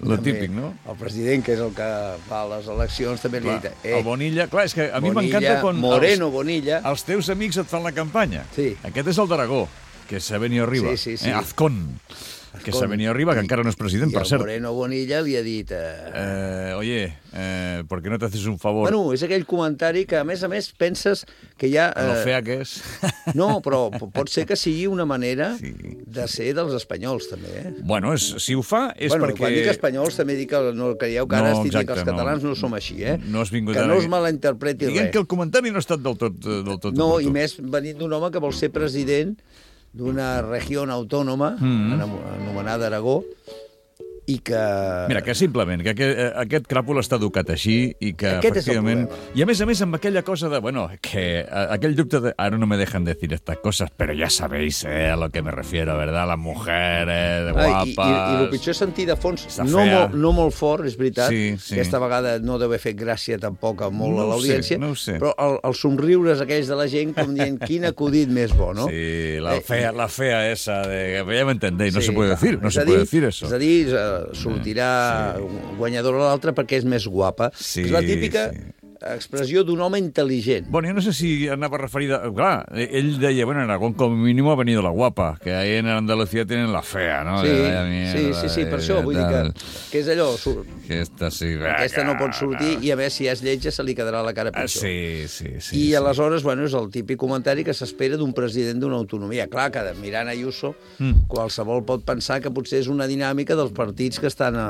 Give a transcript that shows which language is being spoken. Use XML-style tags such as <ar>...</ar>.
<ca>Lo també, típic, no? El president, que és el que fa les eleccions, també clar, li dit... El Bonilla, clar, és que a Bonilla, mi m'encanta quan... Moreno, Bonilla... Els teus amics et fan la campanya. Sí. Aquest és el d'Aragó, que s'ha venit arriba. Sí, sí, sí. Azcón. Que s'ha venit arriba, que encara no és president, per cert. I Moreno Bonilla li ha dit...</ca> <es>Oye, ¿por qué no te haces un favor?</es> <ca>Bueno, és aquell comentari que, a més, penses que ja... Lo fea que és. No, però pot ser que sigui una manera de ser dels espanyols, també, eh? Bueno, és, si ho fa, és bueno, perquè... Bueno, quan dic espanyols, també dic que no creieu que ara estic que els catalans no som així, eh? No has vingut que no us malinterpreti res. Diguem que el comentari no ha estat del tot... No, i més venint d'un home que vol ser president... d'una regió autònoma, anomenada Aragó, i que... Mira, que simplement, que aquest cràpol està educat així i que aquest efectivament... I a més, amb aquella cosa de, bueno, que aquell dubte de...</ca> <es>Ara no me dejan decir estas cosas, pero ya sabéis, a lo que me refiero, ¿verdad? Las mujeres, guapas...</es> <ca>I el pitjor és sentir de fons, no molt fort, és veritat, sí, sí. Aquesta vegada no deu haver fet gràcia tampoc molt no a l'audiència, no però els somriures aquells de la gent com dient quin acudit més bo, no?</ca> <es>Sí, la fea esa de...</es> <ca>Ja m'entendeu,</ca> <es>no sí, se puede decir, no se</es> <ca>dir,</ca> <es>puede decir eso.</es> <ca>És a dir, sortirà guanyadora l'altra perquè és més guapa. Sí, és la típica expressió d'un home intel·ligent. Bueno, jo no sé si anava referida... Clar, ell deia,</ca> <es>bueno, en Aragón</es> <ca>com a mínim</ca> <es>ha venido la guapa, que ahí en Andalucía tienen la fea, no?</es> <ca>Sí, de, mierda, sí, per això, vull dir que és allò... Aquesta sí, vaca, aquesta no pot sortir no. I a veure si és lletja se li quedarà la cara pitjor. Sí. I aleshores, bueno, és el típic comentari que s'espera d'un president d'una autonomia. Clar, que mirant Ayuso, qualsevol pot pensar que potser és una dinàmica dels partits que estan...</ca>